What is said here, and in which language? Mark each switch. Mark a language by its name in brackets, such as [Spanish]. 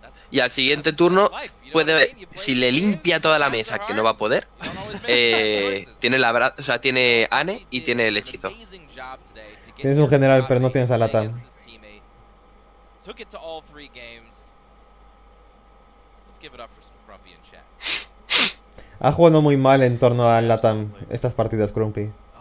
[Spanish] Y al siguiente turno, puede, si le limpia toda la mesa, que no va a poder, tiene la abrazo, o sea, tiene Anne y tiene el hechizo. Tienes un general, pero no tienes a Latam. [English] Took it to all three games. Let's give it up for some Crumpy in chat. [Spanish] Ha jugado muy mal en torno a Latam estas partidas, Crumpy.